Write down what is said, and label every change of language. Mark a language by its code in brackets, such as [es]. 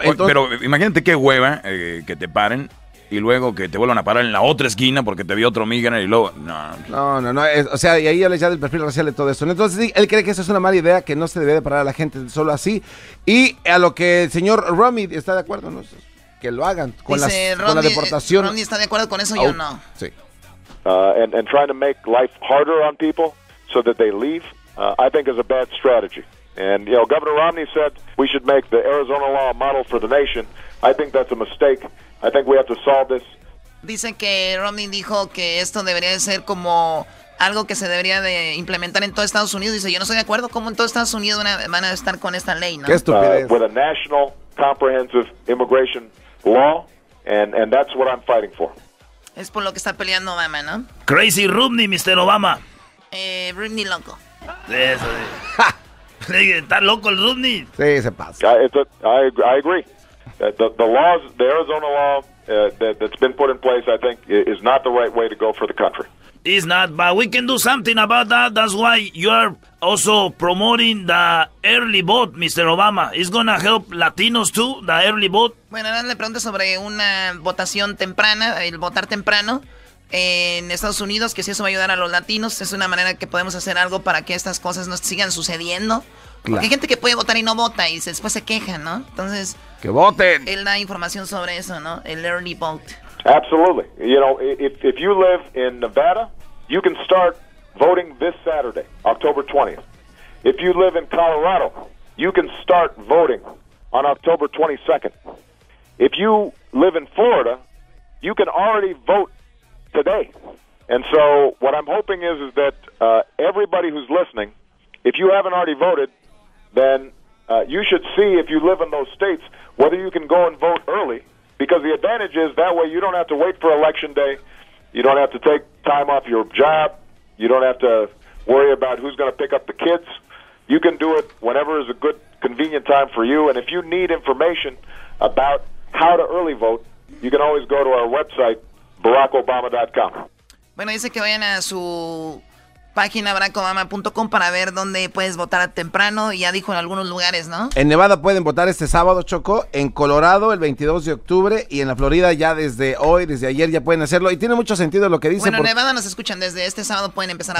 [es] Entonces, pero imagínate qué hueva que te paren. Y luego que te vuelvan a parar en la otra esquina porque te vio otro migrante y luego... No. O sea, y ahí ya les da el perfil racial de todo esto. Entonces, sí, él cree que eso es una mala idea, que no se debe de parar a la gente solo así. Y a lo que el señor Romney está de acuerdo, ¿no? Que lo hagan con, dice, con la deportación. Romney está de acuerdo con eso, yo no. Sí. [en] And trying to make life harder on people so that they leave, I think is a bad strategy. And, you know, Governor Romney said we should make the Arizona law a model for the nation. I think that's a mistake. I think we have to solve this. [es] Dicen que Romney dijo que esto debería de ser como algo que se debería de implementar en todo Estados Unidos. Dice, yo no estoy de acuerdo cómo en todo Estados Unidos van a estar con esta ley, ¿no? Qué estupidez. [en] With a national comprehensive immigration law, and that's what I'm fighting for. [es] Es por lo que está peleando Obama, ¿no? [en] Crazy Romney, Mr. Obama. [es] Romney loco. Eso sí. Está loco el Romney. Sí, se pasa. [en] I agree. The laws, the Arizona law that's been put in place, I think, is not the right way to go for the country. It's not, but we can do something about that. That's why you are also promoting the early vote, Mr. Obama. It's going to help Latinos too, the early vote. [es] Bueno, ahora le pregunto sobre una votación temprana, el votar temprano en Estados Unidos, que si eso va a ayudar a los latinos, es una manera que podemos hacer algo para que estas cosas no sigan sucediendo. Claro. Porque hay gente que puede votar y no vota y después se queja, ¿no? Entonces, que voten. Él da información sobre eso, ¿no? El early vote. [en] Absolutely. You know, if you live in Nevada, you can start voting this Saturday, October 20th. If you live in Colorado, you can start voting on October 22nd. If you live in Florida, you can already vote today. And so what I'm hoping is that everybody who's listening, if you haven't already voted, then you should see if you live in those states whether you can go and vote early, because the advantage is that way you don't have to wait for election day, you don't have to take time off your job, you don't have to worry about who's going to pick up the kids. You can do it whenever is a good, convenient time for you. And if you need information about how to early vote, you can always go to our website, BarackObama.com. [es] Bueno, dice que vayan a su página BarackObama.com para ver dónde puedes votar temprano. Ya dijo en algunos lugares, ¿no? En Nevada pueden votar este sábado, Choco. En Colorado, el 22 de octubre. Y en la Florida, ya desde hoy, desde ayer, ya pueden hacerlo. Y tiene mucho sentido lo que dicen. Bueno, en Nevada nos escuchan. Desde este sábado pueden empezar a